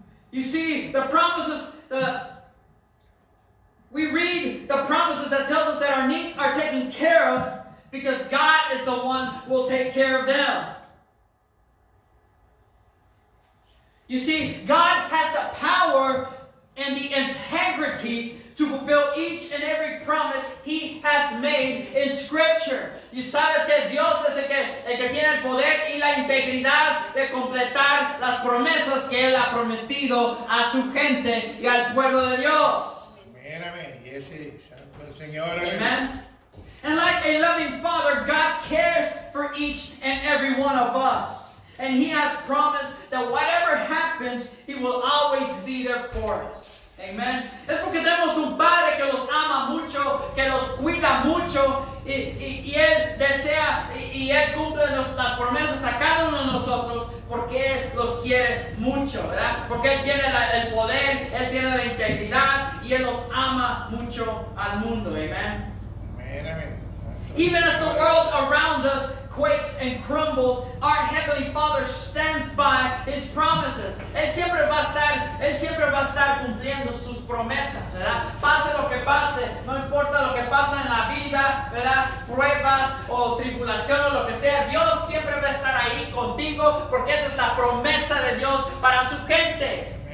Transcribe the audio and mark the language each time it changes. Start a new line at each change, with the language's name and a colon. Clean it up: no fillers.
English: You see, the promises, we read the promises that tell us that our needs are taken care of because God is the one who will take care of them. You see, God has the power and the integrity to fulfill each and every promise he has made in Scripture.
Spanish: Y sabes que Dios es el que tiene el poder y la integridad de completar las promesas que Él ha prometido a su gente y al pueblo de Dios.
English: Amen, amen. Yes, it is.
Spanish: Santo el Señor.
English: Amen. And like a loving father, God cares for each and every one of us. And he has promised that whatever happens, he will always be there for us. Amen.
Spanish: Es porque tenemos un padre que los ama mucho, que los cuida mucho, y él desea, y él cumple las promesas a cada uno de nosotros, porque él los quiere mucho, ¿verdad? Porque él tiene el poder, él tiene la integridad, y él los ama mucho al mundo.
English: Amen. Amen, amen. Even as the world around us quakes and crumbles, our Heavenly Father stands by His promises.
Spanish: Él siempre va a estar cumpliendo sus promesas, ¿verdad? Pase lo que pase, no importa lo que pase en la vida, ¿verdad? Pruebas o tribulación o lo que sea, Dios siempre va a estar ahí contigo porque esa es la promesa de Dios para su gente.